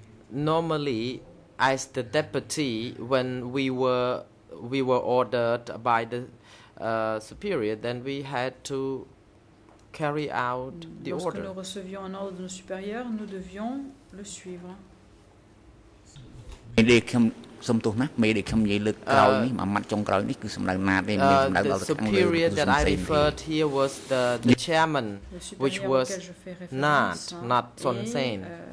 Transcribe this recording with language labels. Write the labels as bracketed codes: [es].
[en] normally, as the deputy, when we were ordered by the superior, then we had to carry out the [fr] lorsque [en] order. [fr] Lorsque nous recevions un ordre de nos supérieurs, nous devions le suivre. [en] The superior that I referred here was the chairman, which was Nat, not Son Sen.